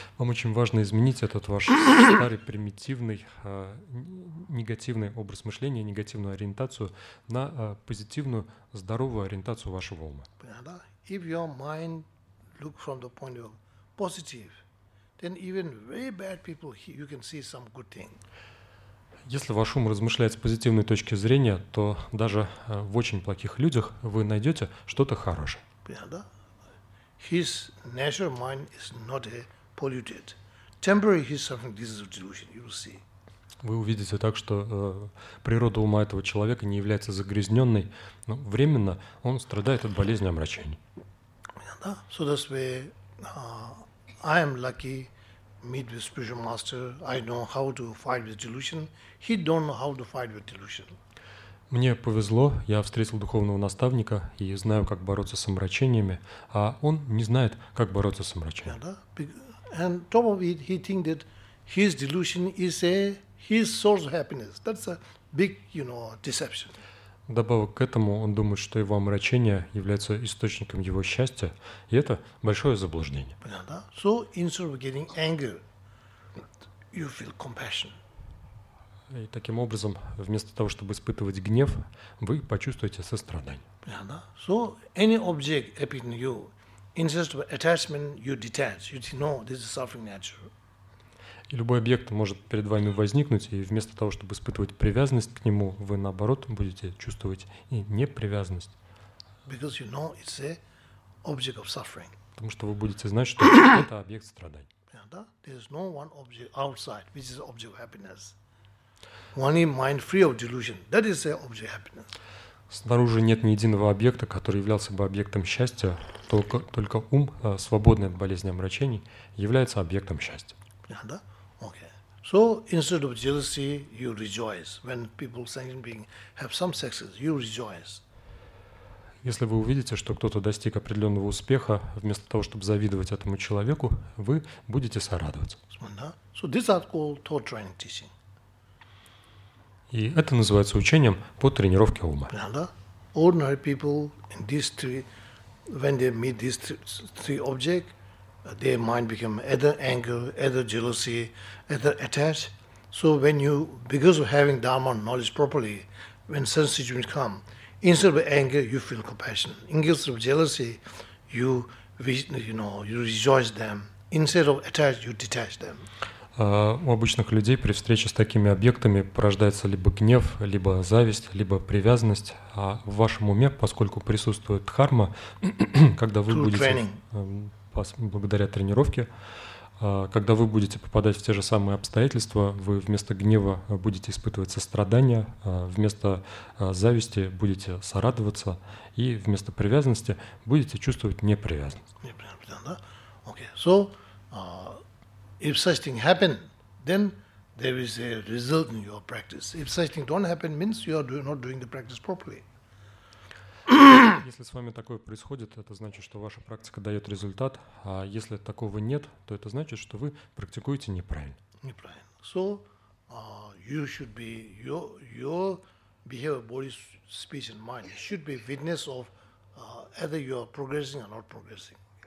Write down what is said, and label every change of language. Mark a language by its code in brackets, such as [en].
[ru] Вам очень важно изменить этот ваш старый примитивный негативный образ мышления, негативную ориентацию на позитивную здоровую ориентацию вашего ума. Понятно? [en] If your mind look from the point of positive, then even very bad people you can see some good thing. [ru] Если ваш ум размышляет с позитивной точки зрения, то даже в очень плохих людях вы найдете что-то хорошее. Понятно? [en] His natural mind is not a polluted. Temporary he's suffering this is a delusion, you will see. [ru] Вы увидите так, что природа ума этого человека не является загрязненной, но временно он страдает от болезни омрачения. [en] Yeah, so that's why I am lucky meet with spiritual master. I know how to fight with delusion. He don't know how to fight with delusion. [ru] Мне повезло, я встретил духовного наставника и знаю, как бороться с омрачениями, а он не знает, как бороться с омрачениями. [en] And top of it, he thinks that his delusion is his source of happiness. That's a big, you know, deception. [ru] Добавок к этому, он думает, что его омрачение является источником его счастья, и это большое заблуждение. Понятно? [en] So instead of getting angry, you feel compassion. [ru] И таким образом, вместо того, чтобы испытывать гнев, вы почувствуете сострадание. Понятно? [en] So any object appearing you, instead of attachment, you detach. You think, no, this is suffering nature. [ru] И любой объект может перед вами возникнуть, и вместо того, чтобы испытывать привязанность к нему, вы наоборот будете чувствовать и непривязанность. [en] Because you know it's a object of suffering. [ru] Потому что вы будете знать, что это объект страданий. Yeah, да? [en] There is no one object outside which is object of happiness. Only mind free of delusion. That is a object of happiness. [ru] Снаружи нет ни единого объекта, который являлся бы объектом счастья, только ум, свободный от болезни омрачений, является объектом счастья. Да? Okay. [en] So instead of jealousy, you rejoice when people sentient being have some success. You rejoice. [ru] Если вы увидите, что кто-то достиг определенного успеха, вместо того, чтобы завидовать этому человеку, вы будете сорадоваться. [en] Да? So this is called thought training teaching. [ru] И это называется учением по тренировке ума. Да? [en] Ordinary people in these three, when they meet these three objects. Their mind become either anger, either jealousy, either attached. So when you, because of having Dharma knowledge properly, when sense situations come, instead of anger, you feel compassion. Instead of jealousy, you rejoice them. Instead of attached, you detach them. [ru] У обычных людей при встрече с такими объектами порождается либо гнев, либо зависть, либо привязанность. А в вашем уме, поскольку присутствует дхарма, когда вы будете... [en] Training. [ru] Благодаря тренировке, когда вы будете попадать в те же самые обстоятельства, вы вместо гнева будете испытывать сострадание, вместо зависти будете сорадоваться, и вместо привязанности будете чувствовать непривязанность. Да? Okay. [en] So, if such thing happen, then there is a result in your practice. If such thing don't happen, means you are not doing the practice properly. [ru] Если с вами такое происходит, это значит, что ваша практика дает результат, а если такого нет, то это значит, что вы практикуете неправильно. Неправильно. [en] So, you should be your behavior, body, speech and mind should be witness of either you are progressing or not progressing.